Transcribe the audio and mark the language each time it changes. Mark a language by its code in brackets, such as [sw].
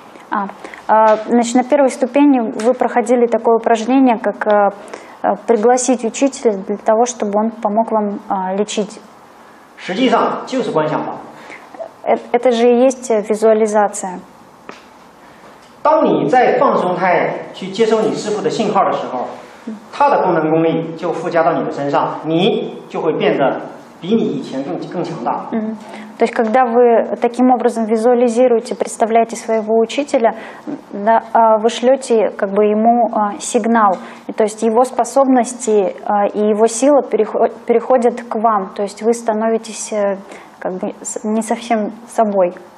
[ru] На первой ступени вы проходили такое упражнение, как пригласить учителя для того, чтобы он помог вам лечить. Это же и есть визуализация. [zh] 当你在放松态去接收你师父的信号的时候，他的功能功力就附加到你的身上，你就会变得比你以前更强大。 [ru] То есть когда вы таким образом визуализируете, представляете своего учителя, да, вы шлете как бы ему сигнал, и, то есть его способности и его сила переходят к вам, то есть вы становитесь как бы не совсем собой.